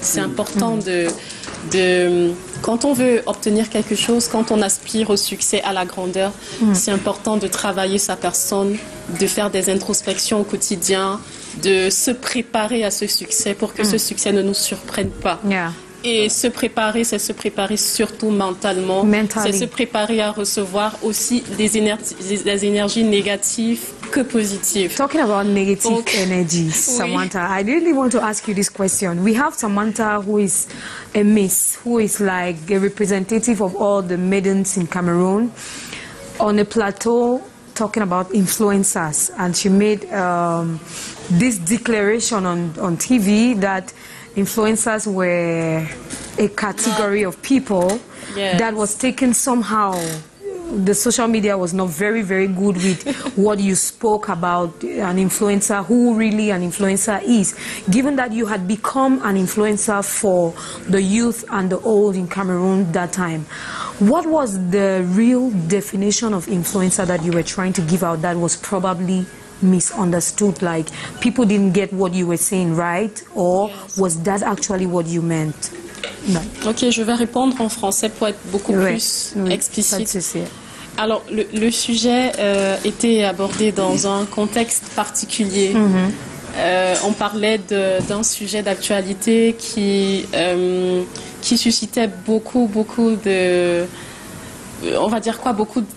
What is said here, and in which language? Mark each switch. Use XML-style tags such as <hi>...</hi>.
<fr>C'est important de quand on veut obtenir quelque chose, quand on aspire au succès, à la grandeur, c'est important de travailler sa personne, de faire des introspections au quotidien, de se préparer à ce succès pour que ce succès ne nous surprenne pas.</fr> <en>Yeah.</en> <fr>Et se préparer, c'est se préparer surtout mentalement.</fr> <en>Mentally.</en> <fr>C'est se préparer à recevoir aussi des énergies négatives que positives.</fr> <en>Talking about negative energy, Samantha,</en> <fr>oui.</fr> <en>I really want to ask you this question. We have Samantha who is a miss, who is like a representative of all the maidens in Cameroon on a plateau talking about influencers, and she made this declaration on TV that influencers were a category of people yes. that was taken somehow. The social media was not very, very good with what you spoke about an influencer, who really an influencer is. Given that you had become an influencer for the youth and the old in Cameroon that time, what was the real definition of influencer that you were trying to give out that was probably misunderstood? Like, people didn't get what you were saying, right? Or was that actually what you meant?</en> <fr>Non. Ok, je vais répondre en français pour être beaucoup plus explicite. Alors, le sujet était abordé dans un contexte particulier. On parlait d'un sujet d'actualité qui suscitait beaucoup, beaucoup de... On va dire quoi? Beaucoup</fr>